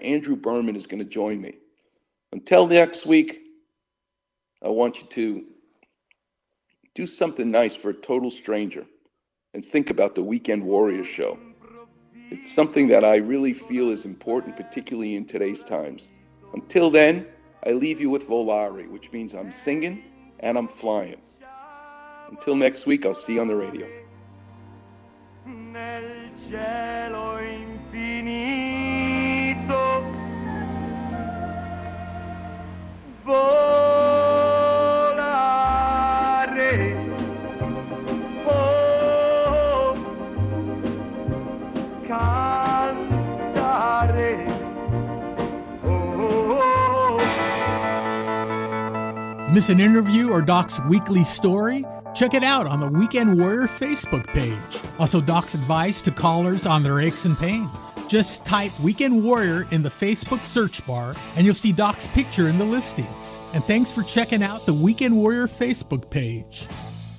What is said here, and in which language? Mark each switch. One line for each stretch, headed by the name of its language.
English: Andrew Berman is going to join me. Until next week, I want you to do something nice for a total stranger and think about the Weekend Warrior Show. It's something that I really feel is important, particularly in today's times. Until then, I leave you with Volare, which means I'm singing and I'm flying. Until next week, I'll see you on the radio.
Italian: Nel cielo infinito, volare, oh, cantare, oh.
English: Miss an interview or Doc's weekly story? Check it out on the Weekend Warrior Facebook page. Also, Doc's advice to callers on their aches and pains. Just type Weekend Warrior in the Facebook search bar, and you'll see Doc's picture in the listings. And thanks for checking out the Weekend Warrior Facebook page.